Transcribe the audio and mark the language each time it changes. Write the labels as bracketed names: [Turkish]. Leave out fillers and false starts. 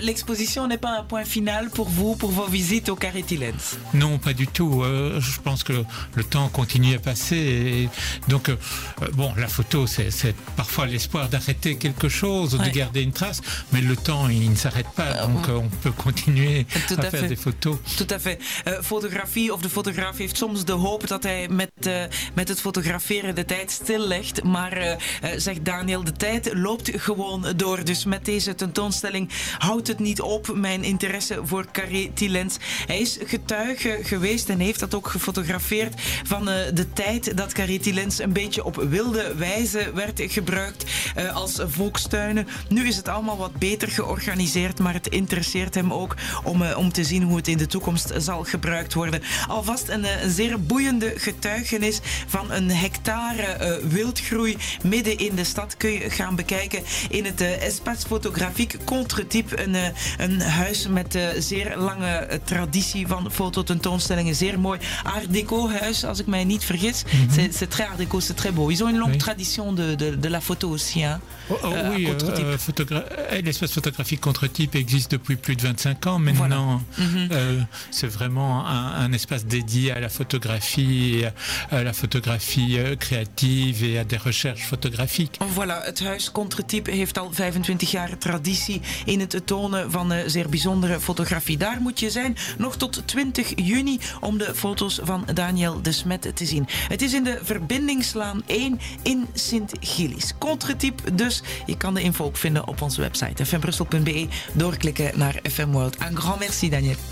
[French] L'exposition n'est pas un point final pour vous, pour vos visites au Carré Tillens? Non, pas du tout. Je pense que le temps continue à passer. Et donc, bon, la photo, c'est parfois l'espoir d'arrêter quelque chose, ou ouais, de garder une trace, mais le temps, il ne s'arrête pas. Donc, on peut continuer à faire des photos. Tout à fait. [Dutch] Fotografie of de fotograaf heeft soms de hoop dat hij met het fotograferen de tijd stillegt. Maar, zegt Daniel, de tijd loopt gewoon door. Dus met deze tentoonstelling houdt het niet op, mijn interesse voor Carré Tillens. Hij is getuige geweest en heeft dat ook gefotografeerd van de tijd dat Carré Tillens een beetje op wilde wijze werd gebruikt als volkstuinen. Nu is het allemaal wat beter georganiseerd, maar het interesseert hem ook om te zien hoe het in de toekomst zal gebruikt worden. Alvast een zeer boeiende getuigenis van een hectare wildgroei midden in de stad kun je gaan bekijken in het Espace Photographique Contretype. Een huis met een zeer lange traditie van fototentoonstellingen. Zeer mooi art déco huis, als ik mij niet vergis. Mm-hmm. [French] C'est très art déco, c'est très beau. Ils ont une longue tradition de la photo aussi. Hein? Oui, l'Espace Photographique Contretype existe depuis plus de 25 ans maintenant. Voilà. C'est vraiment un espace dédié à la photographie, à la photographie créative et à des recherches photographiques. [Dutch] Voilà, het huis Contretype heeft al 25 jaar traditie in het tonen van zeer bijzondere fotografie. Daar moet je zijn nog tot 20 juni om de foto's van Daniel De Smet te zien. Het is in de Verbindingslaan 1 in Sint-Gilis. Contretype dus. Je kan de info ook vinden op onze website fmbrussel.be. Doorklikken naar FM World. [French] Un grand merci, [Dutch] Daniel.